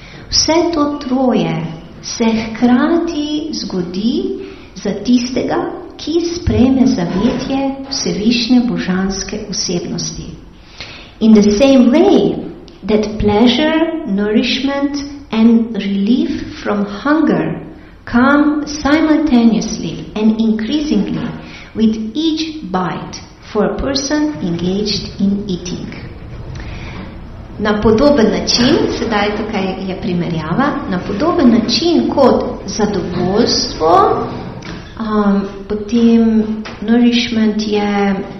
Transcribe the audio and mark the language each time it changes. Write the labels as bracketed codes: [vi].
[sl] Vse to troje se hkrati zgodi za tistega, ki sprejme zavetje Vsevišnje Božanske Osebnosti. [en] In the same way that pleasure, nourishment and relief from hunger come simultaneously and increasingly with each bite for a person engaged in eating. [sl] Na podoben način, sedaj tukaj je primerjava, na podoben način kot zadovoljstvo, potem nourishment je